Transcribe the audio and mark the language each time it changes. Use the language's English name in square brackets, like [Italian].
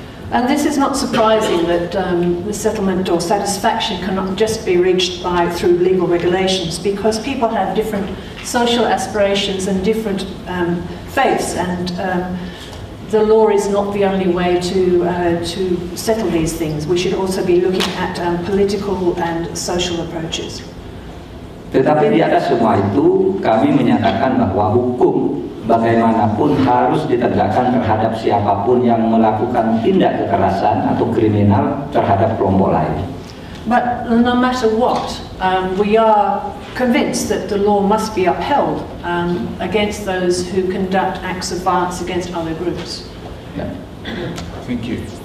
[English] And this is not surprising that the settlement or satisfaction cannot just be reached by through legal regulations, because people have different social aspirations and different faiths, and the law is not the only way to settle these things. We should also be looking at political and social approaches. [Indonesian] Tetapi di atas semua itu, kami menyatakan bahwa hukum bagaimanapun harus ditegakkan terhadap siapapun yang melakukan tindak kekerasan atau kriminal terhadap kelompok lain. [English] But no matter what, we are convinced that the law must be upheld against those who conduct acts of violence against other groups. Yeah. Thank you.